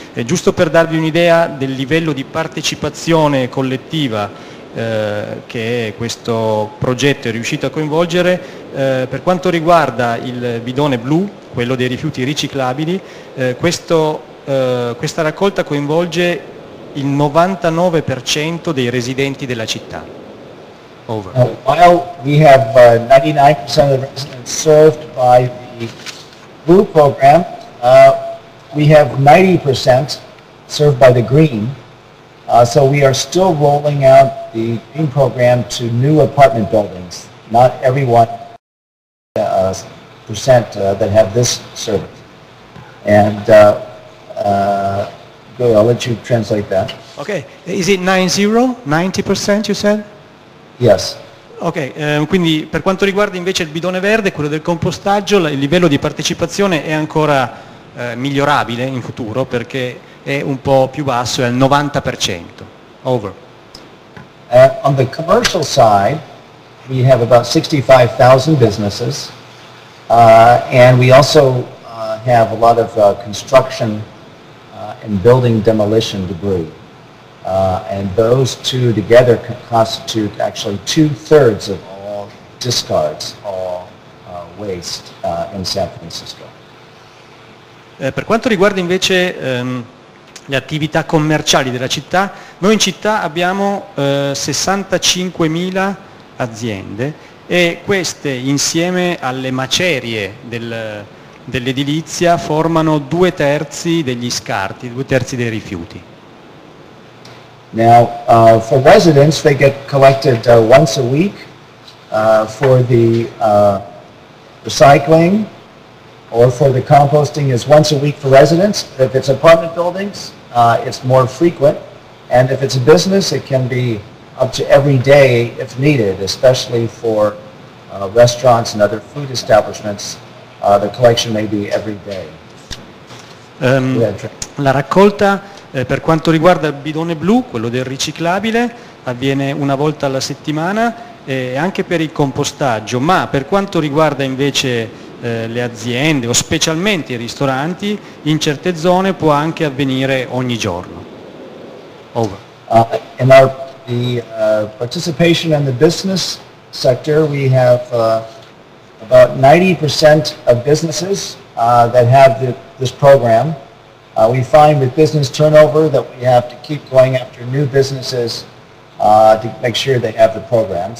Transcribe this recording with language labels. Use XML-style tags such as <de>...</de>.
<it>E giusto per darvi un'idea del livello di partecipazione collettiva che questo progetto è riuscito a coinvolgere, per quanto riguarda il bidone blu, quello dei rifiuti riciclabili, questa raccolta coinvolge il 99% dei residenti della città.</it> <en>Over. While we have 99% of the residents served by the blue program, we have 90% served by the green. So we are still rolling out the green program to new apartment buildings. Not everyone percent that have this service. And Gloria, I'll let you translate that. Okay, is it 90% you said? Yes.</en> <it>Ok, quindi per quanto riguarda invece il bidone verde, quello del compostaggio, il livello di partecipazione è ancora migliorabile in futuro perché è un po' più basso, è al 90%.</it> <en>Over. On the commercial side, we have about 65,000 businesses and we also have a lot of construction and building demolition debris. And those two together constitute actually two-thirds of all discards, all waste in San Francisco.</en> <it>Per quanto riguarda invece le attività commerciali della città, noi in città abbiamo 65.000 aziende e queste insieme alle macerie dell'edilizia formano due terzi degli scarti, due terzi dei rifiuti.</it> <en>Now, for residents, they get collected once a week for the recycling or for the composting is once a week for residents. If it's apartment buildings, it's more frequent. And if it's a business, it can be up to every day if needed, especially for restaurants and other food establishments. The collection may be every day.</en> <it>La raccolta... per quanto riguarda il bidone blu, quello del riciclabile, avviene una volta alla settimana e anche per il compostaggio, ma per quanto riguarda invece le aziende o specialmente i ristoranti, in certe zone può anche avvenire ogni giorno.</it> <en>Over. In our the participation in the business sector, we have about 90% of businesses that have this program. We find with business turnover that we have to keep going after new businesses to make sure they have the program.</en>